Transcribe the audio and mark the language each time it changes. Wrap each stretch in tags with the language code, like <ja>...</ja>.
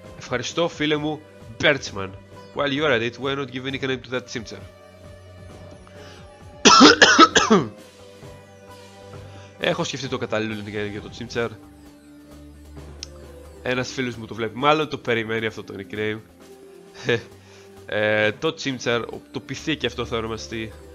<el>Ευχαριστώ φίλε μου, Birchman.</el> <en>While you're at it, why not give a nickname to that Chimchar?</en> <el>Έχω σκεφτεί το κατάλληλο nickname για το Chimchar. Ένας φίλος μου το βλέπει, μάλλον το περιμένει αυτό το nickname. Το Chimchar, το πιθήκι αυτό θα ονομαστεί.</el>